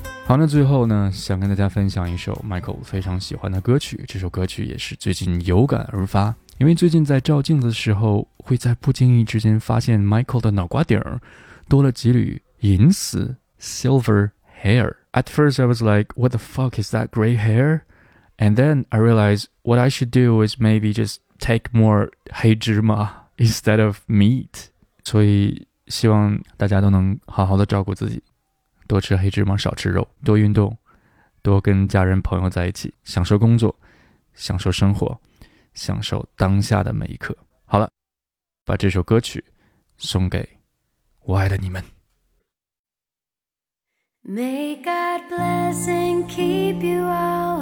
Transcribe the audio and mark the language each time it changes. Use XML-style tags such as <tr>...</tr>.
<zh>Okay, 那最后呢，想跟大家分享一首 Michael 非常喜欢的歌曲，这首歌曲也是最近有感而发，因为最近在照镜子的时候会在不经意之间发现 Michael 的脑瓜顶多了几缕银丝</zh> <en>silver hair. At first I was like, what the fuck is that gray hair? And then I realized what I should do is maybe justTake more 黑芝麻 instead of meat.</en> <zh>所以希望大家都能好好的照顾自己，多吃黑芝麻，少吃肉，多运动，多跟家人朋友在一起，享受工作，享受生活，享受当下的每一刻。好了，把这首歌曲送给我爱的你们。</zh> <en>May God bless and keep you all.</en>